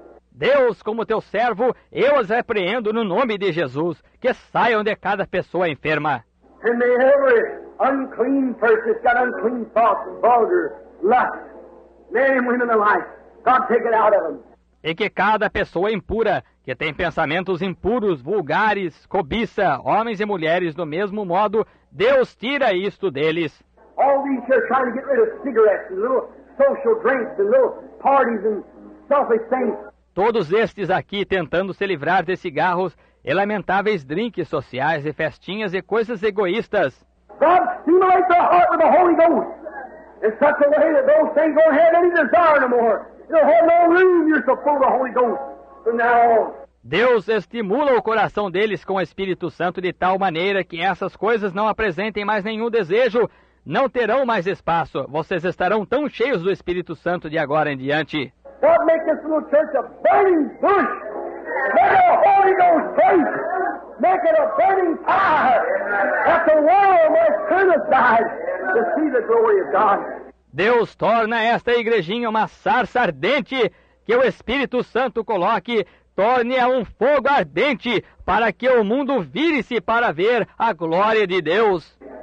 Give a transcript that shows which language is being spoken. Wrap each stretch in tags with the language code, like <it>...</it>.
<pt>Deus, como teu servo, eu as repreendo no nome de Jesus, que saiam de cada pessoa enferma.</pt> <en>And may every unclean person got unclean thoughts, vulgar, lust, men and women alike, God take it out of them.</en> <pt>E que cada pessoa impura, que tem pensamentos impuros, vulgares, cobiça, homens e mulheres do mesmo modo, Deus tira isto deles.</pt> <en>All these here trying to get rid of cigarettes and little social drinks and little parties and selfish things.</en> <pt>Todos estes aqui tentando se livrar de cigarros e lamentáveis drinks sociais e festinhas e coisas egoístas.</pt> <en>God stimulates their heart with the Holy Ghost in such a way that those things don't have any desire no more. You'll have no room, you're so full of the Holy Ghost.</en> <pt>Deus estimula o coração deles com o Espírito Santo de tal maneira que essas coisas não apresentem mais nenhum desejo, não terão mais espaço. Vocês estarão tão cheios do Espírito Santo de agora em diante.</pt> <en>God make this little church a burning bush. Make it a Holy Ghost place. Make it a burning fire. That the world must turn aside to see the glory of God.</en> <pt>Deus torna esta igrejinha uma sarça ardente. Que o Espírito Santo coloque, torne-a um fogo ardente, para que o mundo vire-se para ver a glória de Deus.</pt>